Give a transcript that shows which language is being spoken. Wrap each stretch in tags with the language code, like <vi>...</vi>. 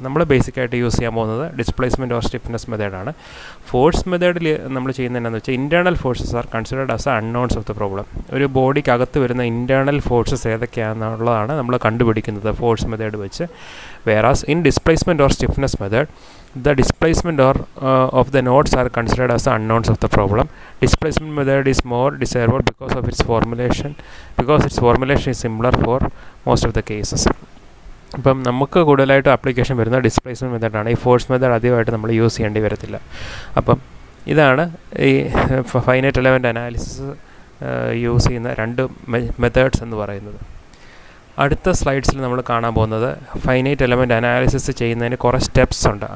<ml>നമ്മൾ ബേസിക്കായിട്ട് യൂസ് ചെയ്യാൻ പോകുന്നത് ഡിസ്പ്ലേസ്മെൻറ്റ് ഓർ സ്റ്റിഫ്നെസ് മെത്തേഡാണ്. ഫോഴ്സ് മെത്തേഡിൽ നമ്മൾ ചെയ്യുന്നത് എന്താണെന്ന് വെച്ചാൽ,</ml> <en>Internal forces are considered as unknowns of the problem.</en> <ml>ഒരു ബോഡിക്കകത്ത് വരുന്ന ഇൻറ്റേണൽ ഫോഴ്സസ് ഏതൊക്കെയാണെന്നുള്ളതാണ് നമ്മൾ കണ്ടുപിടിക്കുന്നത് ഫോഴ്സ് മെത്തേഡ് വെച്ച്.</ml> <en>Whereas in displacement or stiffness method the displacement or of the the nodes are considered as the unknowns of the problem. Displacement method is more desirable because of its formulation, because its formulation is simpler for most of the cases.</en> <ml>ഇപ്പം നമുക്ക് കൂടുതലായിട്ട് application വരുന്ന displacement മെത്തഡാണ്. ഈ force method അധികമായിട്ട് നമ്മൾ use ചെയ്യേണ്ടി വരത്തില്ല. അപ്പം ഇതാണ് ഈ ഫൈനൈറ്റ് എലമെൻ്റ് അനാലിസിസ് യൂസ് ചെയ്യുന്ന രണ്ട് മെത്തേഡ്സ് എന്ന് പറയുന്നത്. അടുത്ത സ്ലൈഡ്സിൽ നമ്മൾ കാണാൻ പോകുന്നത് ഫൈനൈറ്റ് എലമെൻ്റ് അനാലിസിസ് ചെയ്യുന്നതിന് കുറേ സ്റ്റെപ്സ് ഉണ്ട്.</ml>